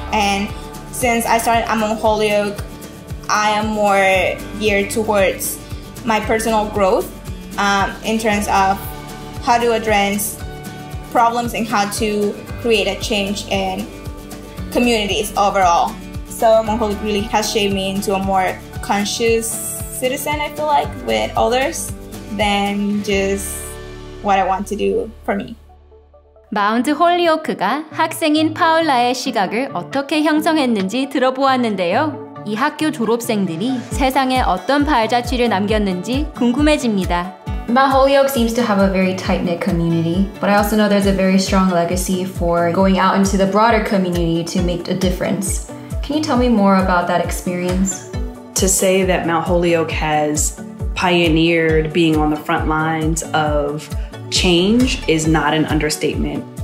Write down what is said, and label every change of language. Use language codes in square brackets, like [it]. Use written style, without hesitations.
[en] And since I started at Mount Holyoke, I am more geared towards my personal growth in terms of how to address problems and how to create a change in communities overall. So Mount Holyoke really has shaped me into a more conscious citizen, I feel like, with others than just what I want to do for me. [ko] Mount Holyoke가 학생인 파올라의 시각을 어떻게 형성했는지 들어보았는데요. 이 학교 졸업생들이 세상에 어떤 발자취를 남겼는지 궁금해집니다. [en] Mount Holyoke seems to have a very tight-knit community, but I also know there's a very strong legacy for going out into the broader community to make a difference. Can you tell me more about that experience? To say that Mount Holyoke has pioneered being on the front lines of change is not an understatement.